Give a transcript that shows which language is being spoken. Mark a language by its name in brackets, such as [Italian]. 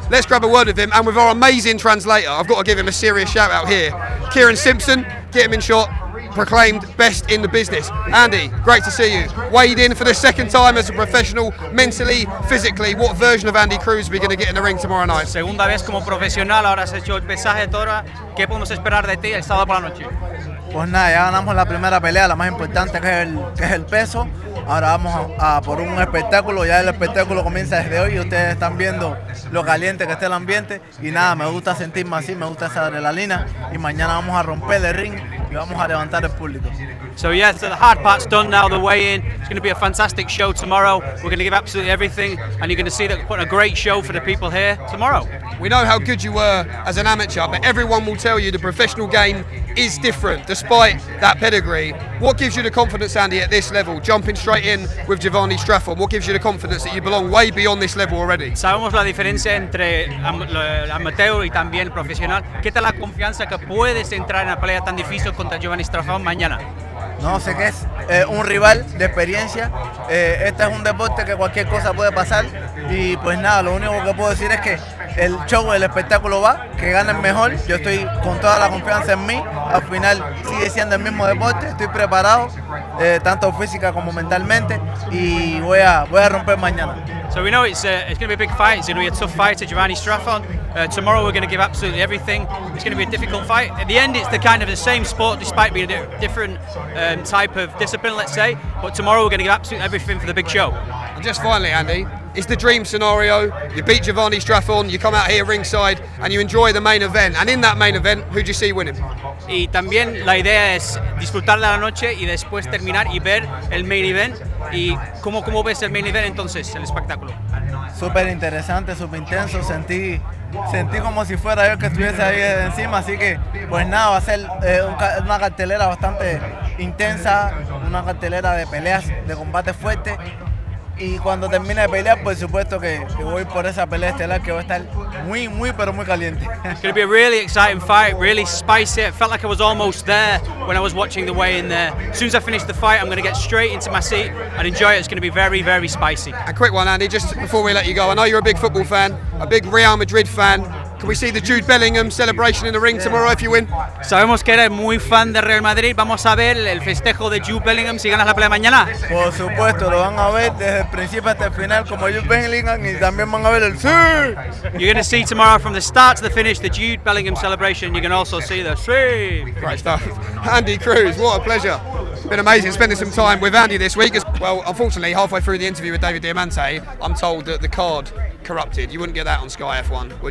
[English] Let's grab a word with him, and with our amazing translator, I've got to give him a serious shout out here. Kieran Simpson, get him in shot. Proclaimed best in the business. Andy, great to see you. Weighed in for the second time as a professional, mentally, physically. What version of Andy Cruz are we going to get in the ring tomorrow night? [Spanish] Segunda vez como profesional, ahora has hecho el pesaje toda. ¿Qué podemos esperar de ti el sábado por la noche? Pues nada, ya ganamos la primera pelea, la más importante, que es el peso. Ahora vamos a por un espectáculo. Ya el espectáculo comienza desde hoy. Ustedes están viendo lo caliente que está el ambiente. Y nada, me gusta sentirme así, me gusta esa adrenalina. Y mañana vamos a romper el ring y vamos a levantar el público. [English] So yeah, so the hard part's done now, the weigh-in. It's going to be a fantastic show tomorrow. We're going to give absolutely everything, and you're going to see that we're putting a great show for the people here tomorrow. We know how good you were as an amateur, but everyone will tell you the professional game is different, despite that pedigree. What gives you the confidence, Andy, at this level, jumping straight in with Giovanni Strafon? What gives you the confidence that you belong way beyond this level already? [Spanish] Sabemos la diferencia entre amateur y también profesional. ¿Qué tal la confianza que puedes entrar en una pelea tan difícil contra Giovanni Strafon mañana? No sé qué es, un rival de experiencia. Este es un deporte que cualquier cosa puede pasar. Y pues nada, lo único que puedo decir es que el show, el espectáculo va, que gane el mejor. Yo estoy con toda la confianza en mí. Al final sigue siendo el mismo deporte. Estoy preparado, tanto física como mentalmente. Y voy a romper mañana. [English] So we know it's going to be a big fight. It's going to be a tough fight to Giovanni Strafon. Tomorrow we're going to give absolutely everything. It's going to be a difficult fight. At the end, it's the kind of the same sport, despite being a different type of discipline, let's say. But tomorrow we're going to give absolutely everything for the big show. And just finally, Andy, it's the dream scenario. You beat Giovanni Strafon, you come out here ringside, and you enjoy the main event. And in that main event, who do you see winning? [Spanish] Y también la idea es disfrutar la noche y después terminar y ver el main event. Y cómo ves el main event entonces, el espectáculo? Súper interesante, súper intenso. Sentí como si fuera yo que estuviese ahí encima. Así que, pues nada, va a ser una cartelera bastante intensa, una cartelera de peleas, de combate fuerte. Y cuando termine de pelear, por supuesto que voy por esa pelea estelar, que va a estar muy, muy, pero muy caliente. [English] It's going to be a really exciting fight, really spicy. It felt like I was almost there when I was watching the weigh-in there. As soon as I finish the fight, I'm going to get straight into my seat and enjoy it. It's going to be very, very spicy. A quick one, Andy, just before we let you go. I know you're a big football fan, a big Real Madrid fan. Can we see the Jude Bellingham celebration in the ring tomorrow if you win? [Spanish] Sabemos que eres muy fan de Real Madrid. Vamos a ver el festejo de Jude Bellingham si ganas la pelea mañana. Por supuesto, lo van a ver desde el principio hasta el final como Jude Bellingham, y también van a ver el sí. [English] You're going to see tomorrow from the start to the finish the Jude Bellingham celebration. You can also see the sí. Great stuff. Andy Cruz, what a pleasure. been amazing spending some time with Andy this week. Well, unfortunately, halfway through the interview with David Diamante, I'm told that the card corrupted. You wouldn't get that on Sky F1.